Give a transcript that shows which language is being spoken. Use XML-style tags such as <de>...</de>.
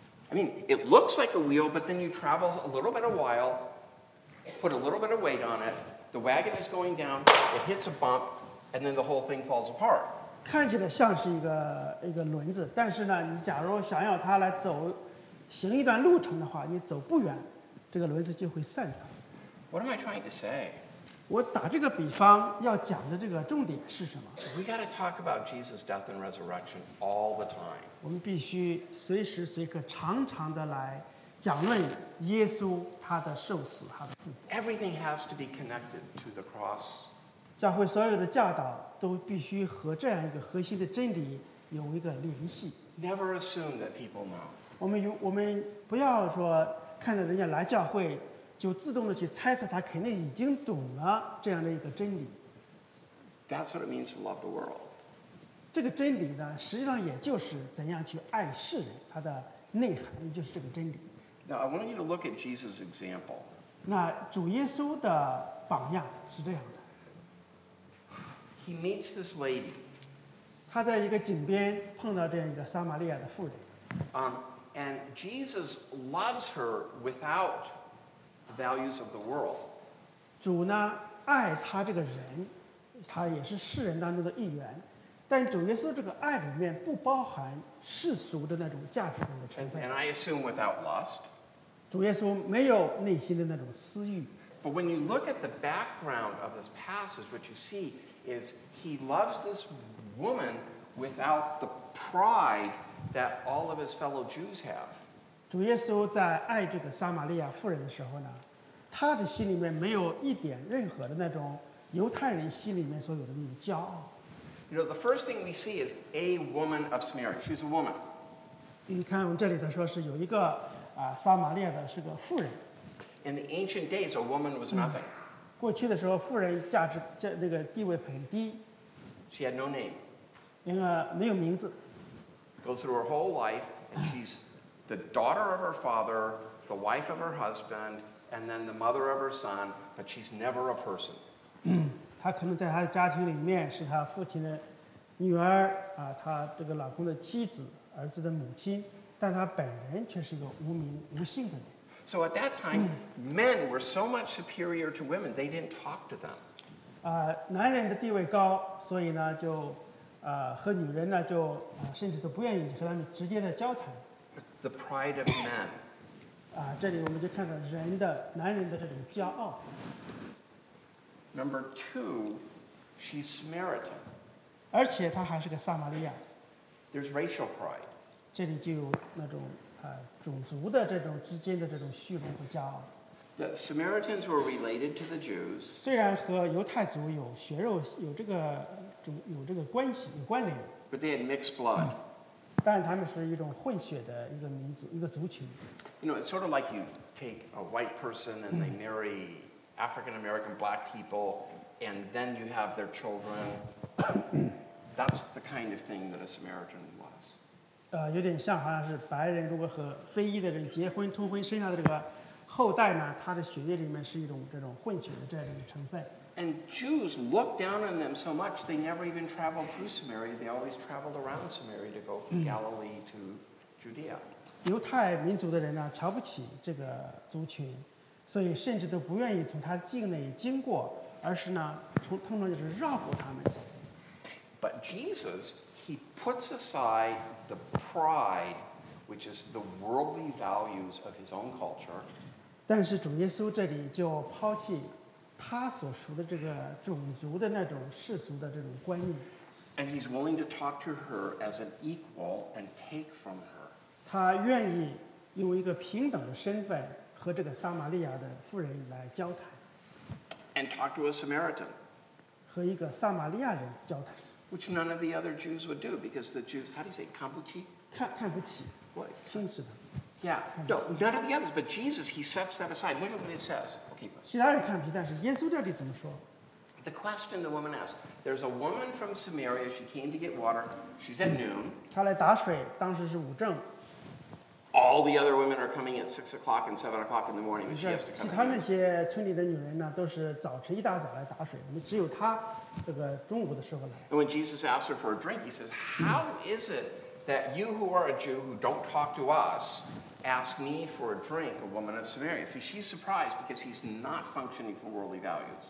<en>I mean, it looks like a wheel, but then you travel a little bit a while, put a little bit of weight on it, the wagon is going down, it hits a bump, and then the whole thing falls apart.</en> <zh>看起来像是一个轮子，但是呢，你假如想要它来走行一段路程的话，你走不远，这个轮子就会散掉。</zh> <en>What am I trying to say?</en> <zh>我打这个比方要讲的这个重点是什么</zh> <en>？We got to talk about Jesus' death and resurrection all the time.</en> <zh>我们必须随时随刻常常的来讲论耶稣他的受死，他的复活。</zh> <en>Everything has to be connected to the cross.</en> <zh>教会所有的教导都必须和这样一个核心的真理有一个联系。</zh> <en>Never assume that people know.</en> <zh>我们不要说看着人家来教会。就自动的去猜测他肯定已经懂了这样的一个真理。</zh> <en>That's what it means to love the world.</en> <zh>这个真理呢，实际上也就是怎样去爱世人，它的内涵就是这个真理。</zh> <en>Now, I want you to look at Jesus' example.</en> <zh>那主耶稣的榜样是这样的。</zh> <en>He meets this lady.</en> <zh>他在一个井边碰到这样一个撒玛利亚的妇人。</zh> <en>And Jesus loves her without the values of the world.</en> <zh>主呢爱他这个人，他也是世人当中的一员。但主耶稣这个爱里面不包含世俗的那种价值观的成分。</zh> <en>And I assume without lust.</en> <zh>主耶稣没有内心的那种私欲。</zh> <en>But when you look at the background of this passage, what you see is he loves this woman without the pride that all of his fellow Jews have.</en> <zh>主耶稣在爱这个撒玛利亚妇人的时候呢，他的心里面没有一点任何的那种犹太人心里面所有的那种骄傲。</zh> <en>You know, the first thing we see is a woman of Samaria. She's a woman.</en> <zh>你看我们这里的说是有一个撒玛利亚的是个妇人。</zh> <en>In the ancient days, a woman was nothing.</en> <zh>过去的时候妇人价值这个地位很低。</zh> <en>She had no name.</en> <zh>因为没有名字。</zh> <en>Goes through her whole life, and she's the daughter of her father, the wife of her husband, and then the mother of her son, but she's never a person.</en> <zh>她可能在她的家庭里面是她父亲的女儿她这个老公的妻子儿子的母亲但她本人却是一个无名无姓的人</zh> <en>So at that time, men were so much superior to women, they didn't talk to them.</en> <zh>男人的地位高所以呢就和女人呢就甚至都不愿意和他们直接的交谈</zh> <en>The pride of men.</en> <zh>这里我们就看到人的男人的这种骄傲</zh> <en>Number two, she's Samaritan.</en> <zh>而且她还是个撒玛利亚。</zh> <en>There's racial pride.</en> <zh>这里就有那种种族的这种之间的这种虚荣和骄傲。</zh> <en>The Samaritans were related to the Jews.</en> <zh>虽然和犹太族有血肉有这个有这个关系有关联。</zh> <en>But they had mixed blood.</en> <zh>但他们是一种混血的一个民族一个族群。</zh> <en>You know, it's sort of like you take a white person and they marry. African American black people, and then you have their children. That's the kind of thing that a Samaritan was.</en> <zh>有点像好像是白人如果和非裔的人结婚通婚生下的这个后代呢，他的血液里面是一种这种混血的这样的成分。</zh> <en>And Jews looked down on them so much they never even traveled through Samaria. They always traveled around Samaria to go from Galilee to Judea.</en> <zh>犹太民族的人呢，瞧不起这个族群。所以甚至都不愿意从他境内经过而是呢从通常就是绕过他们</zh> <en>But Jesus, he puts aside the pride which is the worldly values of his own culture</en> <zh>但是主耶稣这里就抛弃他所属的这个种族的那种世俗的这种观念</zh> <en>And he's willing to talk to her as an equal and take from her</en> <zh>他愿意用一个平等的身份和这个撒玛利亚的妇人来交谈</zh> <en>and talk to a Samaritan</en> <zh>和一个撒玛利亚人交谈</zh> <en>which none of the other Jews would do because the Jews, how do you say,</en> <zh>看不起看不起</zh> <en>what?</en> <zh>轻视的</zh> <en>yeah, no, none of the others but Jesus, he sets that aside look at what it says okay,</en> <zh>其他人看不起但是耶稣到底怎么说</zh> <en>the question the woman asked there's a woman from Samaria she came to get water she's at noon</en> <zh>她来打水当时是午正</zh> <en>All the other women are coming at 6 o'clock and 7 o'clock in the morning, but she has to come.</en> <zh>其他那些村里的女人呢，都是早晨一大早来打水，那么只有她这个中午的时候来。</zh> <en>And when Jesus asked her for a drink, he says, "How is it that you, who are a Jew who don't talk to us, ask me for a drink, a woman of Samaria?" See, she's surprised because he's not functioning from worldly values.</en>